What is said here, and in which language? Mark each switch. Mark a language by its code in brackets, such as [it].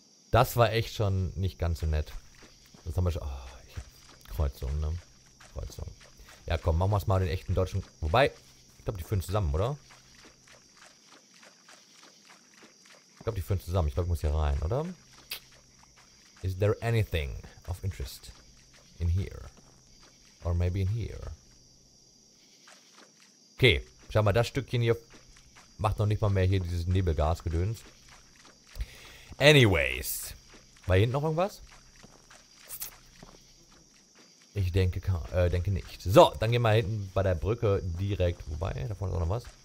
[de] Das war echt schon nicht ganz so nett. Das haben wir schon. Oh, ich hab Kreuzung, ne? Kreuzung. Ja, komm, machen wir es mal den echten deutschen. Wobei, ich glaube, die führen zusammen, oder? Ich glaube, die führen zusammen. Ich glaube, ich muss hier rein, oder? [en] Is there anything of interest in here? Or maybe in here? [de] Okay, schau mal, das Stückchen hier macht noch nicht mal mehr hier dieses Nebelgasgedöns. Anyways, war hier hinten noch irgendwas? Ich denke nicht. So, dann gehen wir hinten bei der Brücke direkt. Wobei, da vorne ist auch noch was.